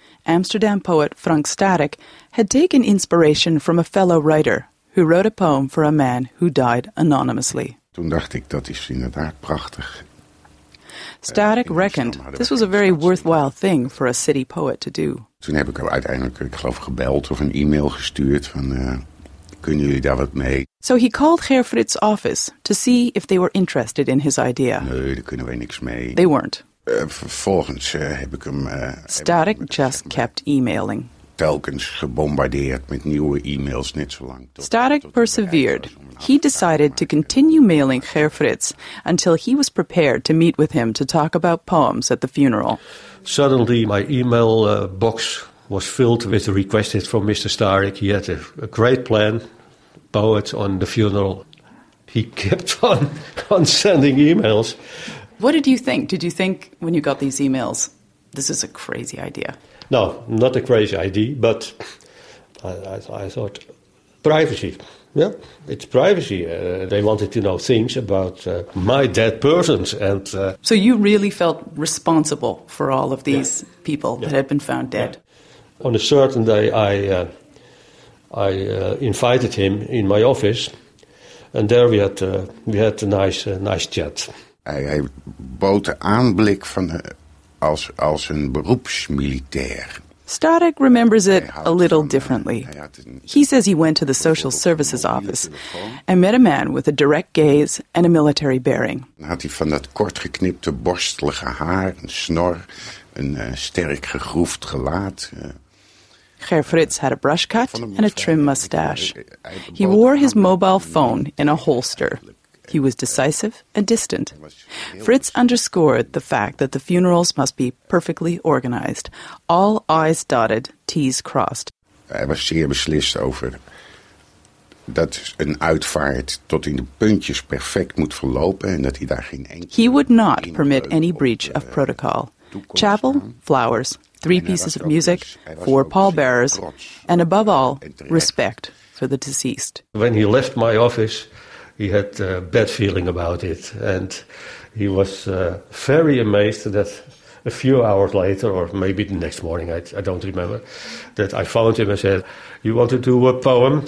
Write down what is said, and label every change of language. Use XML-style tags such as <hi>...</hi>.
<en>Amsterdam poet Frank Starik had taken inspiration from a fellow writer who wrote a poem for a man who died anonymously.</en> <nl>Toen dacht ik, dat is inderdaad prachtig.</nl> <en>Starik reckoned this was a very worthwhile thing for a city poet to do.</en> <nl>Toen heb ik hem uiteindelijk, ik geloof, gebeld of een e-mail gestuurd van, kunnen jullie daar wat mee?</nl> <en>So he called Ger Frits' office to see if they were interested in his idea.</en> <nl>Nee, daar kunnen wij niks mee.</nl> <en>They weren't.</en> <nl>Vervolgens heb ik hem...</nl> <en>Starik just kept emailing.</en> <nl>Telkens gebombardeerd met nieuwe e-mails net zo lang.</nl> <en>Starik persevered. He decided to continue mailing Ger Frits until he was prepared to meet with him to talk about poems at the funeral. Suddenly my email box was filled with requests from Mr. Starik. He had a great plan, poets on the funeral. He kept on sending emails. What did you think? Did you think when you got these emails, this is a crazy idea? No, not a crazy idea, but I thought privacy. Yeah, it's privacy. They wanted to know things about my dead persons. And so you really felt responsible for all of these people that had been found dead? Yeah. On a certain day, I invited him in my office, and there we had a nice chat.</en> <nl>Hij bood de aanblik van de, als een beroepsmilitair.</nl> <en>Starik remembers it a little differently. He says he went to the social services office and met a man with a direct gaze and a military bearing.</en> <nl>Had hij van dat kort geknipte borstelige haar, een snor, een sterk gegroefd gelaat.</nl> <en>Ger Frits had a brush cut and a trim mustache. He wore his mobile phone in a holster. He was decisive and distant. Frits underscored the fact that the funerals must be perfectly organized, all I's dotted, T's crossed.</en> <nl>Hij was zeer beslist over dat een uitvaart tot in de puntjes perfect moet verlopen en dat hij daar geen enkele.</nl> <en>He would not permit any breach of protocol. Chapel, flowers, three pieces of music, four pallbearers, and above all, respect for the deceased. When he left my office, he had a bad feeling about it, and he was very amazed that a few hours later, or maybe the next morning, I don't remember, that I phoned him and said, you want to do a poem?</en>